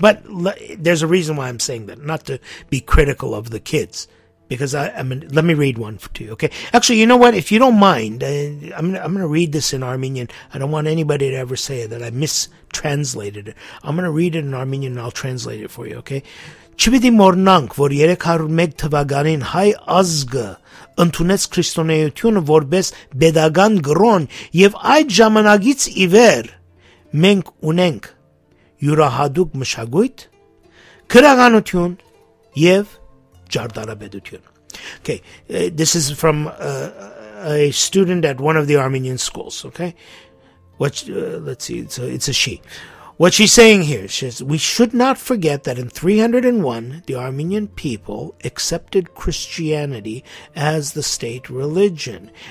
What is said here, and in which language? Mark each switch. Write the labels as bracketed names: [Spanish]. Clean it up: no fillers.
[English] But there's a reason why I'm saying that, not to be critical of the kids, because let me read one to you, okay? Actually, you know what? If you don't mind, I'm going to read this in Armenian. I don't want anybody to ever say that I mistranslated it. I'm going to read it in Armenian, and I'll translate it for you, okay? [Armenian] Չպիտի մոռնանք, որ 301 թվականին հայ ազգը ընդունեց քրիստոնեությունը որպես պետական գրոն, և այդ ժամանակից ի վեր մենք ունենք յուրահատուկ մշակույթ, քրագանություն և ճարտարապետություն. [English] Okay, this is from a student at one of the Armenian schools, okay? Let's see, it's a she. What she's saying here, she says, we should not forget that in 301, the Armenian people accepted Christianity as the state religion.